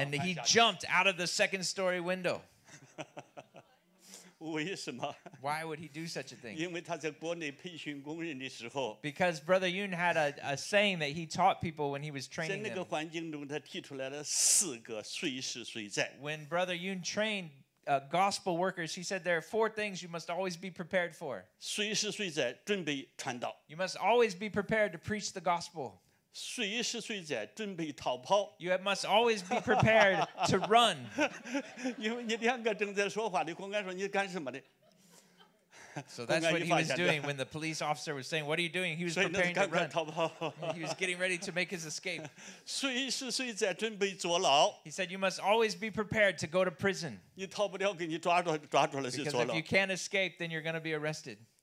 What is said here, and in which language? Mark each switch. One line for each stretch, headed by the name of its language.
English: And he jumped out of the second story window.
Chinese: 为什么？
English: Why would he do such a thing?
Chinese: 因为他在国内培训工人的时候。
English: Because Brother Yun had a saying that he taught people when he was training them.
Chinese: 在那个环境中，他提出来了四个随时随在。
English: When Brother Yun trained gospel workers, he said there are 4 things you must always be prepared for.
Chinese: 随时随在准备传道。
English: You must always be prepared to preach the gospel.
Chinese: 随时随在准备逃跑。
English: You must always be prepared to run.
Chinese: 因为你两个正在说话的公安说你干什么的。
English: So that's what he was doing when the police officer was saying, what are you doing? He was preparing to run. He was getting ready to make his escape. He said, you must always be prepared to go to prison. Because if you can't escape, then you're going to be arrested.